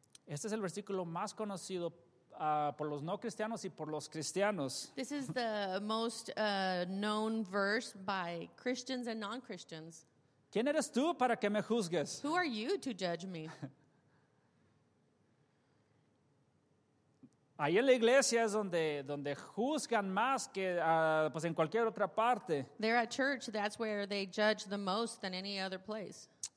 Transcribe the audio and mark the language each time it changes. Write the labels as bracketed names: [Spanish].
[Spanish] Este es el versículo más conocido por los no cristianos y por los cristianos. [English] This is the most known verse by Christians and non-Christians. [Spanish] ¿Quién eres tú para que me juzgues? [English] Who are you to judge me? [Spanish] Ahí en la iglesia es donde juzgan más que pues en cualquier otra parte. [English] There at church, that's where they judge the most than any other place.